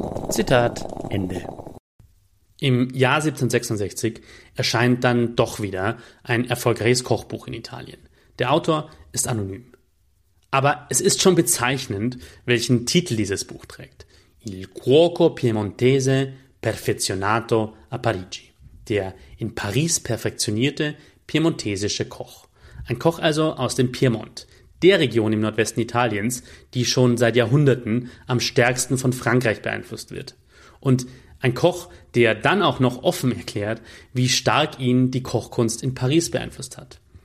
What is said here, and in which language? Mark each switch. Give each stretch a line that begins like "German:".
German: Zitat Ende. Im Jahr 1766 erscheint dann doch wieder ein erfolgreiches Kochbuch in Italien. Der Autor ist anonym. Aber es ist schon bezeichnend, welchen Titel dieses Buch trägt.
Italian: Il cuoco piemontese perfezionato a Parigi.
German: Der in Paris perfektionierte piemontesische Koch. Ein Koch also aus dem Piemont, der Region im Nordwesten Italiens, die schon seit Jahrhunderten am stärksten von Frankreich beeinflusst wird. Und ein Koch, der dann auch noch offen erklärt, wie stark ihn die Kochkunst in Paris beeinflusst hat.